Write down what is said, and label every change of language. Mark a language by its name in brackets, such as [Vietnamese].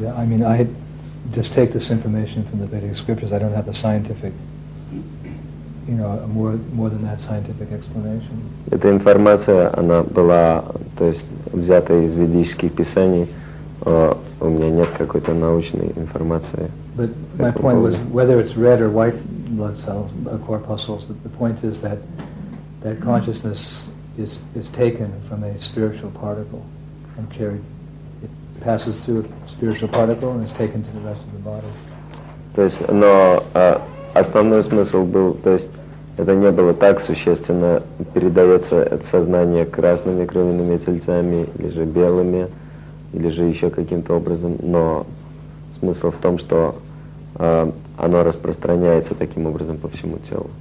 [English] Yeah, I mean, I just take this information from the Vedic scriptures. I don't have the scientific more than that scientific explanation. [Russian] Эта информация, она была, то есть, взята из ведических писаний. У меня нет какой-то научной информации. [English] But my point was, whether it's red or white blood cells, corpuscles, the point is that consciousness is taken from a spiritual particle and carried. It passes through a spiritual particle and is taken to the rest of the body. [Russian] То есть, но основной смысл был, то есть, это не было так существенно, передается это сознание красными кровяными тельцами или же белыми, или же еще каким-то образом, но смысл в том, что оно распространяется таким образом по всему телу.